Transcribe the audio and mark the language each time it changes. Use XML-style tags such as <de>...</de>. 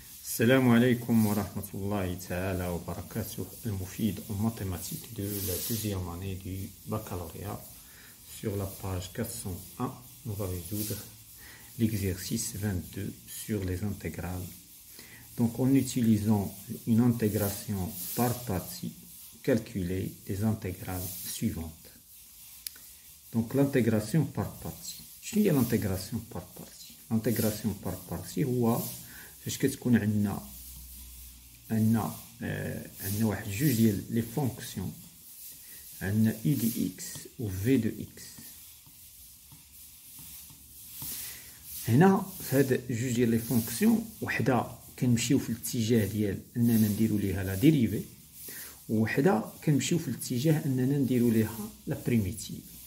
<ar>السلام عليكم ورحمة الله تعالى وبركاته.</ar> <fr>المفيد en mathématiques de la deuxième année du baccalauréat sur la page 401, on va résoudre l'exercice 22 sur les intégrales. Donc en utilisant une intégration par partie, calculer les intégrales suivantes. Donc l'intégration par partie. Je lis l'intégration par partie. L'intégration par partie, c'est</fr> <ar>فاش كتكون عندنا عندنا واحد جوج ديال لي فونكسيون، عندنا اي دي اكس و في دو اكس. هنا في هاد جوج ديال لي فونكسيون وحده كنمشيو في الاتجاه ديال اننا نديرو ليها لا ديريفي، وحده كنمشيو في الاتجاه اننا نديرو ليها لا بريميتيف.</ar>